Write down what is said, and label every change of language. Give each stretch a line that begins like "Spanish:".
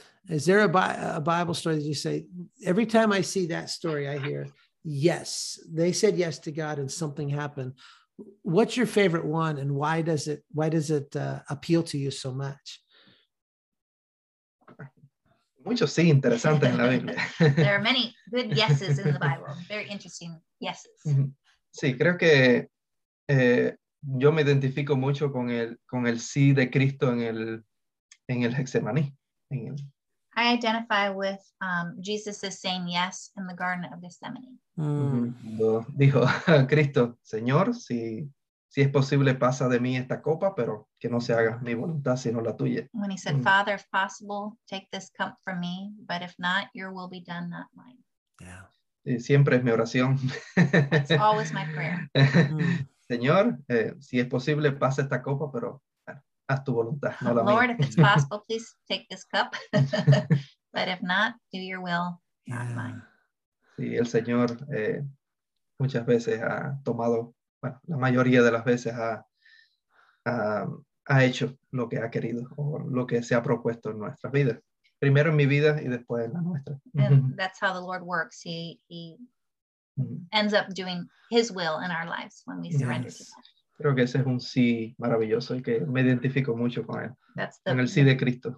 English: Is there a Bible story that you say, every time I see that story, I hear, yes, they said yes to God and something happened. What's your favorite one and why does it appeal to you so much?
Spanish: Muchos sí interesantes en la Biblia.
English: There are many good yeses in the Bible. Very interesting yeses.
Spanish: Sí, creo que yo me identifico mucho con el sí de Cristo en el Getsemaní.
English: I identify with Jesus' saying yes in the Garden of Gethsemane.
Spanish: Dijo Cristo, Señor, si es posible, pasa de mí esta copa, pero que no se haga mi voluntad, sino la tuya.
English: When he said, Father, if possible, take this cup from me, but if not, your will be done, not mine. Yeah.
Spanish: Siempre es mi oración.
English: It's always my prayer.
Spanish: Señor, si es posible, pasa esta copa, pero haz tu voluntad, no la mía.
English: Lord, if it's possible, please take this cup. But if not, do your will, not mine.
Spanish: Sí, el Señor muchas veces ha tomado, bueno, la mayoría de las veces ha hecho lo que ha querido o lo que se ha propuesto en nuestras vidas. Primero en mi vida y después en la nuestra.
English: And that's how the Lord works. He ends up doing his will in our lives when we surrender to him.
Spanish: Creo que ese es un sí maravilloso y que me identifico mucho con él, con el sí de Cristo.